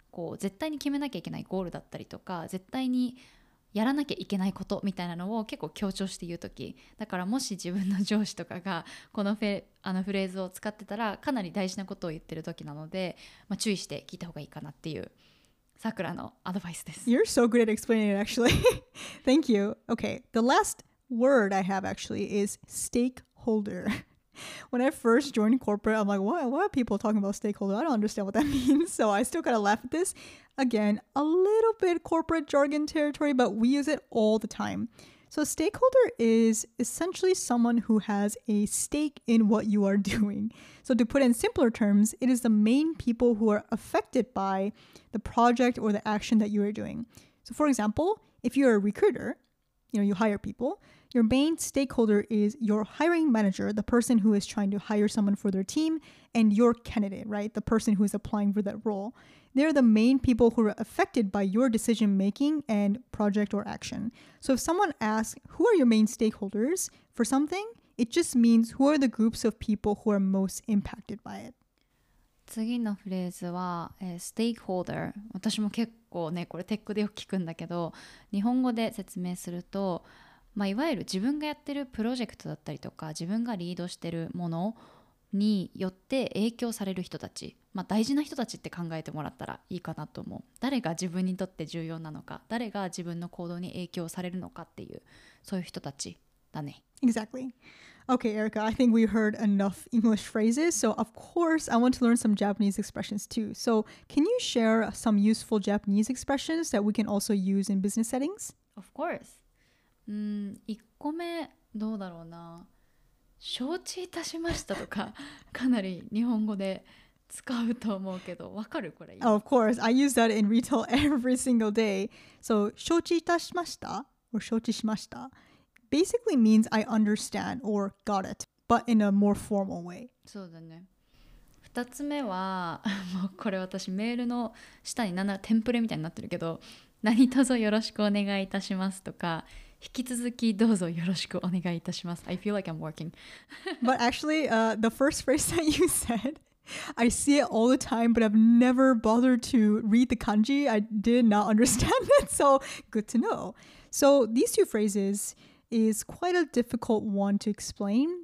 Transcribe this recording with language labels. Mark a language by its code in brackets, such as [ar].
[ja] こう絶対に決めなきゃいけないゴールだったりとか、絶対にやらなきゃいけないことみたいなのを結構強調して言うとき、だからもし自分の上司とかがこのフレーズを使ってたら、かなり大事なことを言ってるときなので、まあ、注意して聞いた方がいいかなっていうさくらのアドバイスです。 [en] You're so good at explaining it actually. Thank you. Okay, the last word I have actually is stakeholder. When I first joined corporate, I'm like, why are people talking about stakeholder? I don't understand what that means. So I still kind of laugh at this. Again, a little bit corporate jargon territory, but we use it all the time. So stakeholder is essentially someone who has a stake in what you are doing. So to put it in simpler terms, it is the main people who are affected by the project or the action that you are doing. So for example, if you're a recruiter, you know, you hire people, your main stakeholder is your hiring manager, the person who is trying to hire someone for their team, and your candidate, right? The person who is applying for that role. They're the main people who are affected by your decision-making and project or action. So if someone asks, who are your main stakeholders for something? It just means who are the groups of people who are most impacted by it. [ja] 次のフレーズは、stakeholder。私も結構ね、これテックでよく聞くんだけど、日本語で説明すると、まあ、いわゆる自分がやってるプロジェクトだったりとか、自分がリードしてるものによって影響される人たち、まあ、大事な人たちって考えてもらったらいいかなと思う。誰が自分にとって重要なのか、誰が自分の行動に影響されるのかっていう、そういう人たちだね。 [en] Exactly. Okay, Erica, I think we've heard enough English phrases. So of course, I want to learn some Japanese expressions too. So can you share some useful Japanese expressions that we can also use in business settings? Of course. [ja] 1個目どうだろうな。承知いたしましたとか、かなり日本語で使うと思うけど、わかるこれ。 [en] Oh, of course, I use that in retail every single day. So, [ja] 承知いたしました [en] or [ja] 承知しました [en] basically means I understand or got it, but in a more formal way. [ja] そうだね。二つ目は、もうこれ私メールの下に何ならテンプレみたいになってるけど、何卒よろしくお願いいたしますとか、引き続きどうぞよろしくお願いいたします。 [en] I feel like I'm working. But actually, the first phrase that you said, I see it all the time, but I've never bothered to read the kanji. I did not understand it, so good to know. So these two phrases is quite a difficult one to explain.